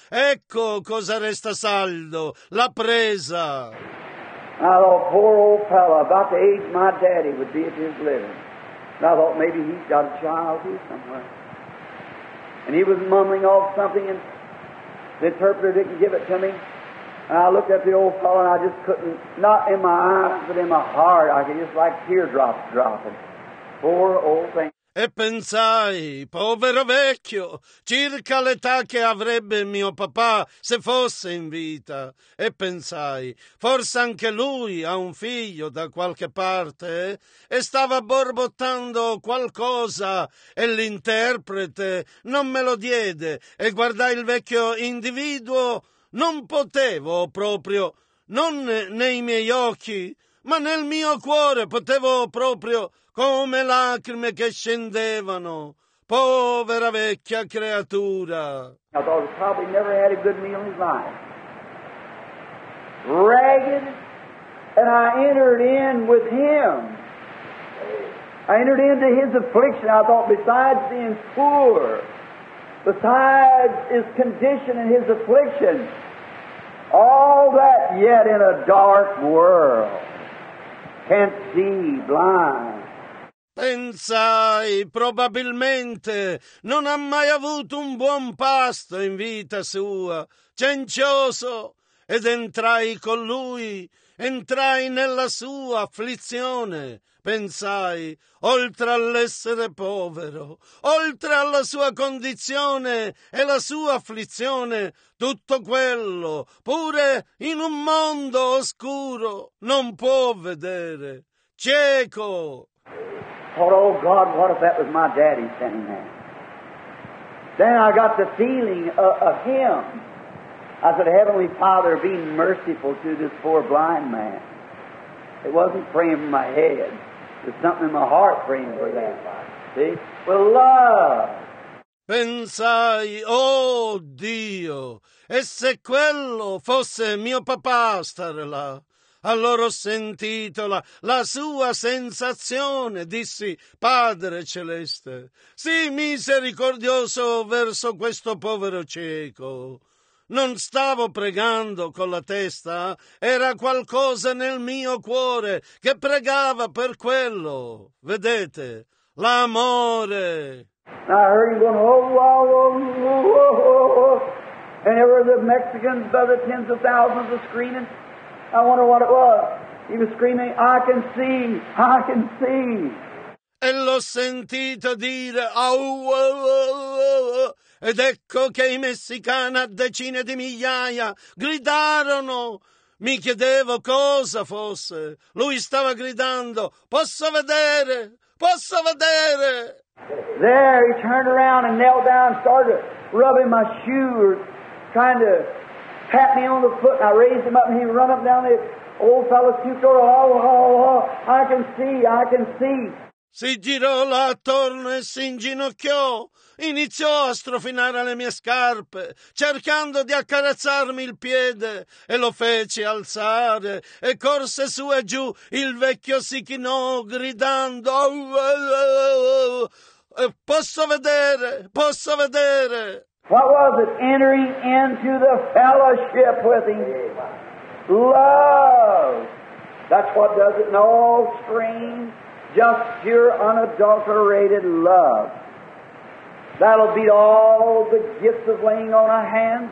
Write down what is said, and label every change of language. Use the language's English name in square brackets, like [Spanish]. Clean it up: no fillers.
[Italian] Ecco cosa resta saldo, la presa. [English] I thought poor old fella, about the age my daddy would be at his living. And I thought maybe he's got a child here somewhere. And he was mumbling off something, and the interpreter didn't give it to me. And I looked at the old fellow, and I just couldn't, not in my eyes, but in my heart, I could just like teardrops dropping. Poor old thing. [Italian] E pensai, povero vecchio, circa l'età che avrebbe mio papà se fosse in vita. E pensai, forse anche lui ha un figlio da qualche parte e stava borbottando qualcosa e l'interprete non me lo diede e guardai il vecchio individuo, non potevo proprio, non nei miei occhi, ma nel mio cuore potevo proprio, come lacrime che scendevano. Povera vecchia creatura. [English] I thought he probably never had a good meal in his life. Ragged. And I entered in with him. I entered into his affliction. I thought, besides being poor, besides his condition and his affliction, all that yet in a dark world. Can't see, blind. [Italian] Pensai, probabilmente non ha mai avuto un buon pasto in vita sua, cencioso, ed entrai con lui, entrai nella sua afflizione. Pensai, oltre all'essere povero, oltre alla sua condizione e la sua afflizione, tutto quello, pure in un mondo oscuro, non può vedere. Cieco! [English] Thought, oh God, what if that was my daddy standing there? Then I got the feeling of him. I said, Heavenly Father, be merciful to this poor blind man. It wasn't praying in my head. There's something in my heart praying for that. See? With love. [Italian] Pensai, oh Dio, e se quello fosse mio papà stare là? Allora ho sentito la sua sensazione, dissi, Padre Celeste, sii misericordioso verso questo povero cieco. Non stavo pregando con la testa, era qualcosa nel mio cuore che pregava per quello. Vedete, l'amore. [English] I heard him going, oh, wow, oh, oh, oh, oh. And there were the Mexicans by the tens of thousands of screaming. I wonder what it was. He was screaming, I can see, I can see. [Italian] E l'ho sentito dire, au, au, au, au. Ed ecco che i messicani a decine di migliaia gridarono. Mi chiedevo cosa fosse. Lui stava gridando, posso vedere, posso vedere. [English] There he turned around and knelt down and started rubbing my shoe, trying to pat me on the foot, and I raised him up, and he run up down the old fellow's pew door. Oh, oh, oh, oh, I can see, I can see. [Italian] Si girò là attorno e si inginocchiò. Iniziò a strofinare le mie scarpe, cercando di accarezzarmi il piede, e lo fece alzare, e corse su e giù. Il vecchio si chinò, gridando, oh, oh, oh, oh, oh. Posso vedere, posso vedere. [English] What was it? Entering into the fellowship with Him. Love. That's what does it in all streams. Just pure, unadulterated love. That'll beat all the gifts of laying on of hands.